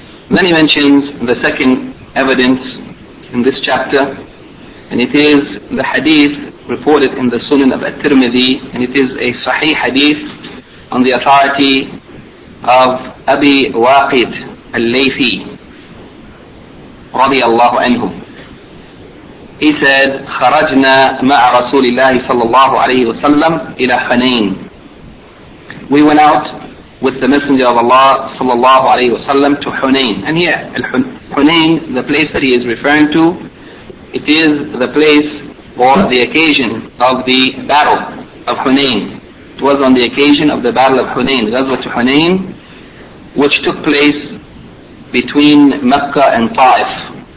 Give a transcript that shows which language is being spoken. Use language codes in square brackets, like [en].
[en] Then he mentions the second evidence in this chapter, and it is the hadith reported in the Sunan of At-Tirmidhi, and it is a sahih hadith on the authority of Abi Waqid Al-Laythi رضي الله عنه. He said, [ar] خَرَجْنَا مَعَ رَسُولِ اللَّهِ صَلَّى اللَّهُ عَلَيْهِ وَسَلَّمْ إِلَى حَنَيْنِ. [en] We went out with the Messenger of Allah صلى الله عليه وسلم to Hunayn. And here, Hunayn, the place that he is referring to, it is the place or the occasion of the battle of Hunayn. It was on the occasion of the battle of Hunayn, Ghazwat Hunayn, which took place between Mecca and Taif.